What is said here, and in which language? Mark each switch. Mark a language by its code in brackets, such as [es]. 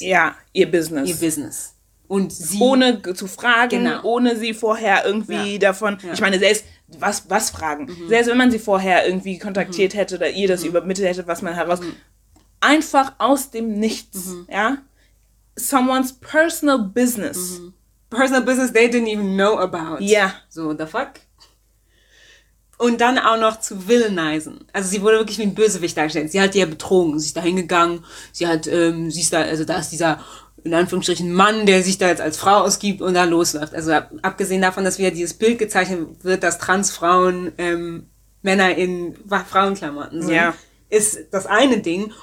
[de] ihr Business. Und sie, ohne zu fragen, ohne sie vorher irgendwie ich meine, selbst was fragen, selbst wenn man sie vorher irgendwie kontaktiert hätte oder ihr das übermittelt hätte, was man heraus, einfach aus dem Nichts, ja? [en] Someone's personal business. Personal business they didn't even know about. Ja. Yeah. So, the fuck? [de] Und dann auch noch zu villainizen. Also sie wurde wirklich wie ein Bösewicht dargestellt. Sie hat die ja betrogen, sie ist da hingegangen. Sie hat, sie ist da, also da ist dieser, in Anführungsstrichen, Mann, der sich da jetzt als Frau ausgibt und da losläuft. Also abgesehen davon, dass wieder dieses Bild gezeichnet wird, dass Transfrauen Männer in Frauenklamotten sind, ist das eine Ding.